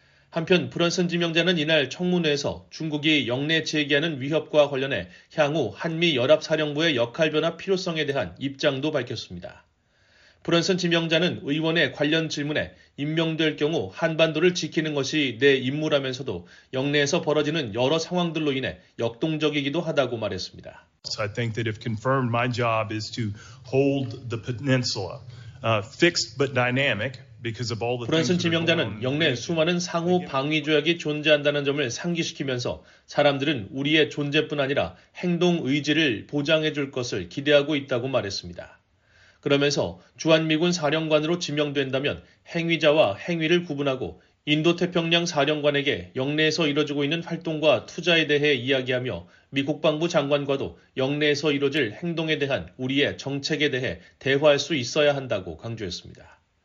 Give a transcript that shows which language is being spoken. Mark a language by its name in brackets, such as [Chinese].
[Korean] 한편 브런슨 지명자는 이날 청문회에서 중국이 영내 제기하는 위협과 관련해 향후 한미연합사령부의 역할 변화 필요성에 대한 입장도 밝혔습니다. 브런슨 지명자는 의원의 관련 질문에 임명될 경우 한반도를 지키는 것이 내 임무라면서도 영내에서 벌어지는 여러 상황들로 인해 역동적이기도 하다고 말했습니다. [English] So I think that if confirmed, my job is to hold the peninsula fixed but dynamic because of all the. [Korean] 브런슨 지명자는 영내 수많은 상호 방위 조약이 존재한다는 점을 상기시키면서 사람들은 우리의 존재뿐 아니라 행동 의지를 보장해 줄 것을 기대하고 있다고 말했습니다. 그러면서 주한미군 사령관으로 지명된다면 행위자와 행위를 구분하고 인도태평양 사령관에게 영내에서 이뤄지고 있는 활동과 투자에 대해 이야기하며 미 국방부 장관과도 영내에서 이뤄질 행동에 대한 우리의 정책에 대해 대화할 수 있어야 한다고 강조했습니다.